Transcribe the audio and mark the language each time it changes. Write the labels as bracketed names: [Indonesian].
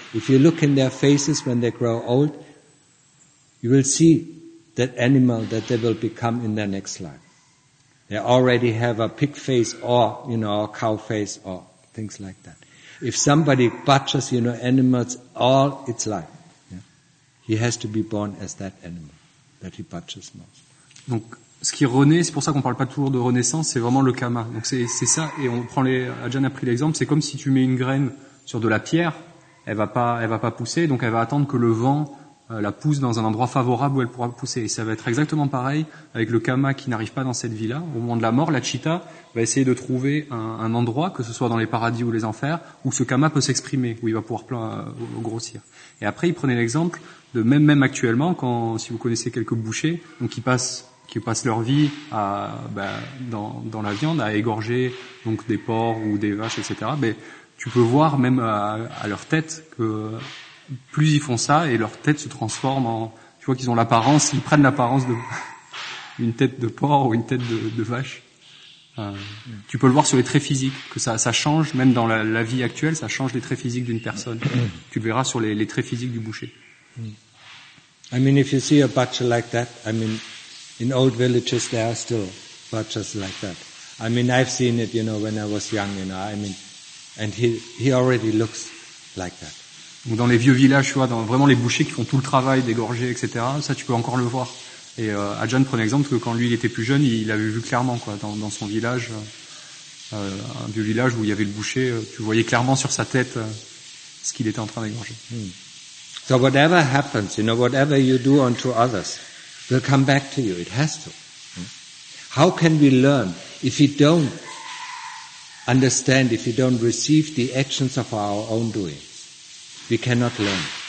[English] If you look in their faces when they grow old, you will see that animal that they will become in their next life. They already have a pig face or, you know, a cow face or things like that. If somebody butchers, you know, animals all its life, yeah, he has to be born as that animal that he butchers most. [French] Donc, ce qui renaît, c'est pour ça qu'on parle pas toujours de renaissance, c'est vraiment le karma. Donc c'est ça, et Ajahn a pris l'exemple, c'est comme si tu mets une graine sur de la pierre, elle va pas pousser, donc elle va attendre que le vent la pousse dans un endroit favorable où elle pourra pousser. Et ça va être exactement pareil avec le karma qui n'arrive pas dans cette vie-là. Au moment de la mort, la citta va essayer de trouver un endroit, que ce soit dans les paradis ou les enfers, où ce karma peut s'exprimer, où il va pouvoir grossir. Et après, il prenait l'exemple de même actuellement, quand, si vous connaissez quelques bouchers, donc qui passent leur vie à, dans la viande, à égorger donc des porcs ou des vaches, etc. Mais tu peux voir même à leur tête que plus ils font ça et leur tête se transforme en, tu vois qu'ils ont l'apparence, ils prennent l'apparence de une tête de porc ou une tête de vache. Tu peux le voir sur les traits physiques, que ça change, même dans la vie actuelle, ça change les traits physiques d'une personne. Tu le verras sur les traits physiques du boucher. [English] I mean, if you see a butcher like that, I mean, in old villages there are still butchers like that. I mean, I've seen it, you know, when I was young, you know, I mean, and he already looks like that. [French] Ou dans les vieux villages, tu vois, dans vraiment les bouchers qui font tout le travail, dégorger, etc., ça tu peux encore le voir. Et Ajahn prenait l'exemple que quand lui il était plus jeune, il l'avait vu clairement, quoi, dans son village, un vieux village où il y avait le boucher, tu voyais clairement sur sa tête ce qu'il était en train d'égorger. [English] So whatever happens, you know, whatever you do unto others will come back to you, it has to. How can we learn if we don't understand, if we don't receive the actions of our own doing? We cannot learn.